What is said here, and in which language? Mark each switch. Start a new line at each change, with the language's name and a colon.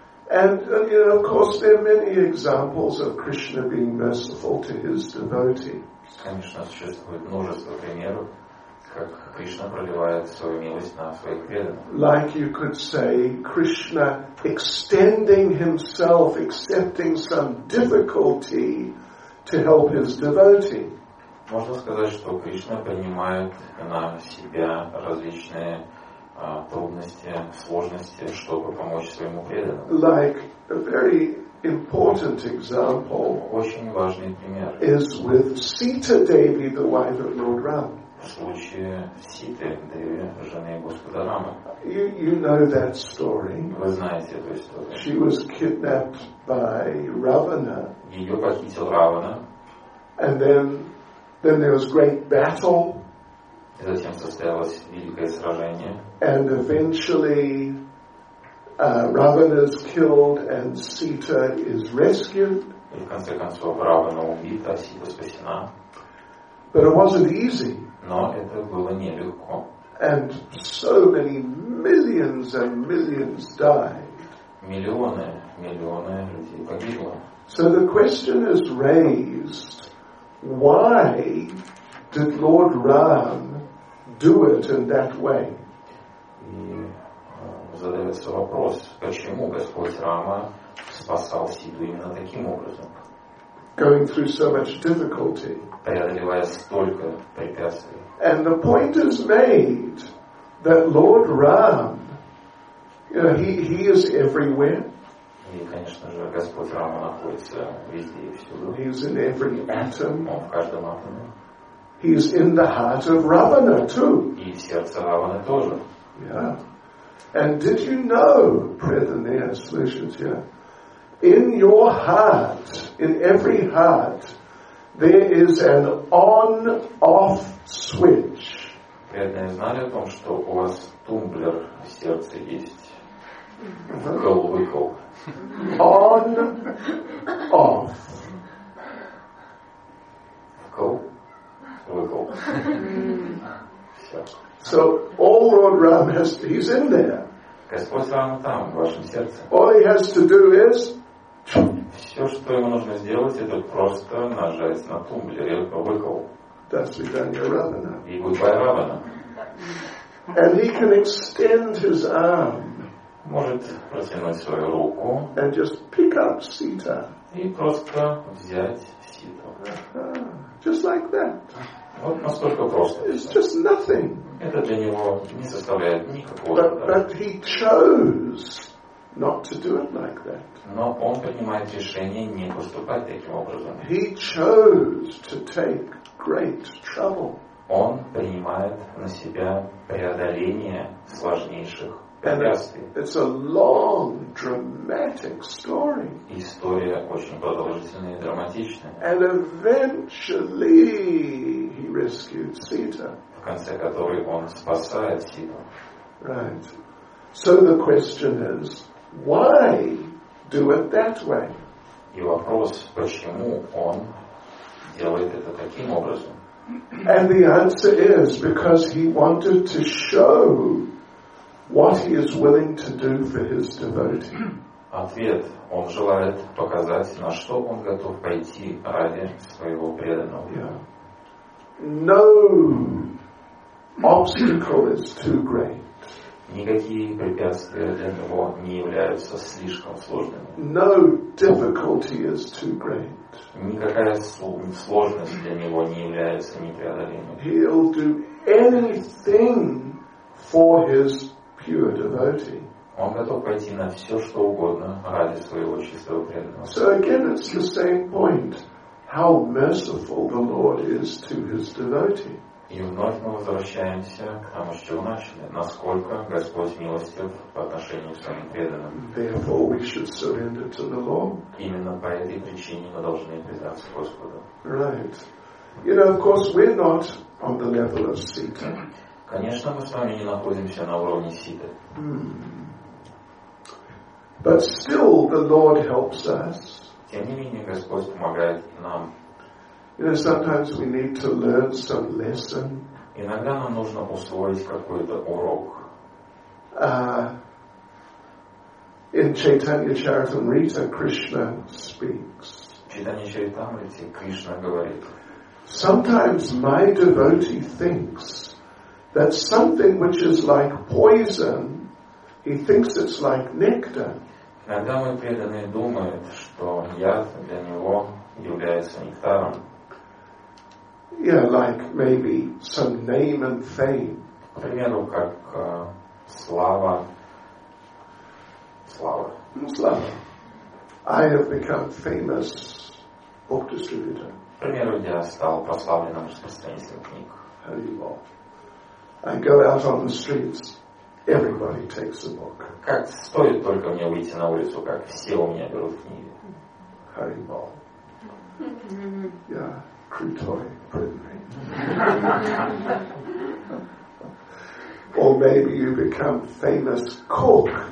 English: And you know, of course, there are many examples of Krishna being merciful to his devotee.
Russian: Конечно, существует множество примеров, как Кришна проливает свою милость на своих преданных.
English: Like you could say, Krishna extending himself, accepting some difficulty to help his devotee.
Russian: Можно сказать, что Кришна принимает на себя различные трудности, сложности, чтобы помочь своему преданному.
English: Like a very important example.
Russian: Очень важный пример.
English: Is with Sita Devi, the wife of Lord Ram.
Russian: В случае Ситы Деви, жены господа Рама.
English: You know that story.
Russian: Вы знаете эту историю.
English: She was kidnapped by Ravana.
Russian: Ее похитил Равана.
English: And then there was great battle.
Russian: И затем состоялось великое сражение.
English: And eventually Ravana is killed and Sita is rescued.
Russian: И в конце концов Равана убит, а Сита спасена.
English: But it wasn't easy.
Russian: Но это было нелегко.
English: And so many millions and millions died.
Russian: Миллионы людей погибло.
English: So the question is raised, why did Lord Ram do it in that way?
Russian: И задается вопрос, почему Господь Рама спасал Ситу именно таким образом?
English: Going through so much difficulty.
Russian: Преодолевая столько препятствий.
English: And the point is made that Lord Ram, you know, he is everywhere.
Russian: И, конечно же, Господь Рама находится везде и всюду.
English: He is in every atom.
Russian: Он в каждом атоме.
English: He is in the heart of Ravana too.
Russian: И в сердце Раваны тоже.
English: Yeah. And did you know, Prithanaya Slishitya, in your heart, in every heart, there is an on-off switch.
Russian: Преданные знали о том, что у вас тумблер в сердце есть. Головой кол.
English: On, off. Cool. Cool. So all Lord Ram has, he's in there.
Russian: Господь Рама там, в вашем сердце.
English: All he has to do is.
Russian: Все, что ему нужно сделать, это просто нажать на тумблер и выкол. До свидания, Равана. И goodbye, Равана.
English: And he can extend his arm.
Russian: Может протянуть свою руку.
English: And just pick up Sita.
Russian: И просто взять Ситу.
English: Just like that.
Russian: Вот настолько просто.
English: It's just nothing.
Russian: Это для него не составляет никакого.
English: But he chose not to do it like that.
Russian: Но он принимает решение не поступать таким образом.
English: He chose to take great trouble.
Russian: Он принимает на себя преодоление сложнейших.
English: And it's a long, dramatic story.
Russian: История очень продолжительная и драматичная.
English: And eventually he rescued Sita.
Russian: В конце которой он спасает Ситу.
English: Right. So the question is, why do it that way?
Russian: И вопрос, почему он делает это таким образом?
English: And the answer is because he wanted to show what he is willing to do for his devotee.
Russian: Ответ. Он желает показать, на что он готов пойти ради своего преданного.
English: Yeah. No obstacle is too great.
Russian: Никакие препятствия для него не являются слишком сложными.
English: No difficulty is too great.
Russian: Никакая сложность для него не является непреодолимой.
English: He'll do anything for his pure devotee.
Russian: Он готов пойти на все, что угодно ради своего чистого преданного.
English: So again, it's the same point. How merciful the Lord is to his devotee.
Russian: И вновь мы возвращаемся к тому, с чего начали. Насколько Господь милостив по отношению к своим преданным.
English: Therefore, we should surrender to the Lord.
Russian: Именно по этой причине мы должны предаться Господу.
English: Right. You know, of course, we're not on the level of Sita.
Russian: Конечно, мы с вами не находимся на уровне Ситы.
English: But still the Lord helps us.
Russian: Тем не менее, Господь помогает нам.
English: You know, sometimes we need to learn some lesson.
Russian: Иногда нам нужно усвоить какой-то урок.
English: In Chaitanya Charitamrita, Krishna speaks.
Russian: Chaitanya Charitamrita, Krishna говорит.
English: Sometimes my devotee thinks that something which is like poison, he thinks it's like nectar.
Russian: Иногда мой преданный думает, что яд для него является нектаром.
English: Yeah, like maybe some name and fame.
Russian: К примеру, как слава. Слава. Слава.
English: I have become famous book distributor.
Russian: К примеру, я стал прославленным распространителем книг.
English: Holy Lord. I go out on the streets, everybody takes a book.
Russian: Как стоит только мне выйти на улицу, как все у меня берут книги.
English: Hari Bol. Yeah, Krutoi, Prithvi. Or maybe you become famous cook.